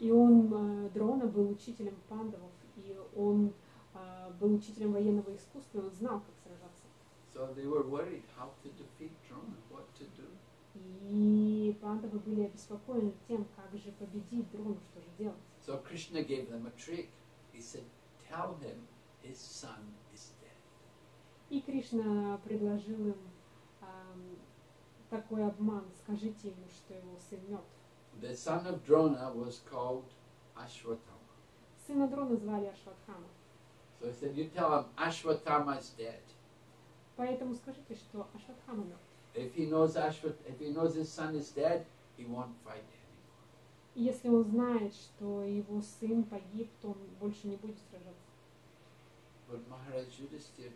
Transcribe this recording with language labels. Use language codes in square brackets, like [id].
[ru] И он, Дрона, был учителем Пандавов, и он был учителем военного искусства, и он знал, как сражаться. [en] So they were worried how to defeat Drona, what to do. [ru] И Пандавы были обеспокоены тем, как же победить Дрону, что же делать. [en] So Krishna gave them a trick. He said, tell him his son is dead. [ru] И Кришна предложил им такой обман. Скажите ему, что его сын мертв. [en] The son of Drona was called Ashwatthama. [ru] Сына Дрона звали Ашватхама. [en] So he said, you tell him Ashwatthama is dead. [ru] Поэтому скажите, что Ашватхама мертв. [en] If he knows his son is dead, he won't fight him. [ru] Если он знает, что его сын погиб, то он больше не будет сражаться.